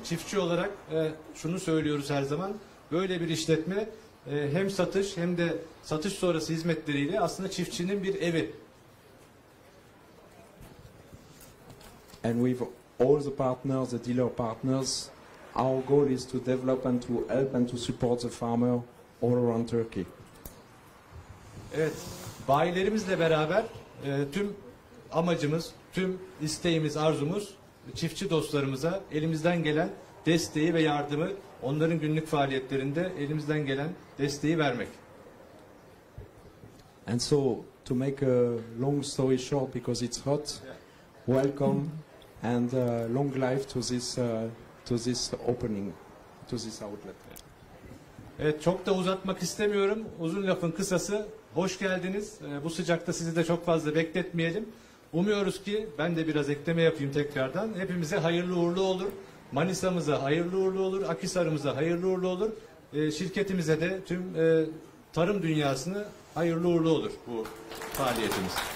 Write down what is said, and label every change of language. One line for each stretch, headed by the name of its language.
Turkish: Çiftçi olarak şunu söylüyoruz her zaman: böyle bir işletme hem satış hem de satış sonrası hizmetleriyle aslında çiftçinin bir evi.
English: And with all the partners, the dealer partners, our goal is to develop and to help and to support the farmer all around Turkey.
Turkish: Evet, bayilerimizle beraber tüm amacımız, tüm isteğimiz, arzumuz çiftçi dostlarımıza elimizden gelen desteği ve yardımı, onların günlük faaliyetlerinde elimizden gelen desteği vermek.
English: And so, to make a long story short, because it's hot, yeah. Welcome and long life to this opening, to this outlet.
Turkish: Evet, çok da uzatmak istemiyorum. Uzun lafın kısası, hoş geldiniz. Bu sıcakta sizi de çok fazla bekletmeyelim. Umuyoruz ki, ben de biraz ekleme yapayım tekrardan, hepimize hayırlı uğurlu olur. Manisa'mıza hayırlı uğurlu olur, Akhisar'ımıza hayırlı uğurlu olur, şirketimize de tüm tarım dünyasını hayırlı uğurlu olur bu faaliyetimiz.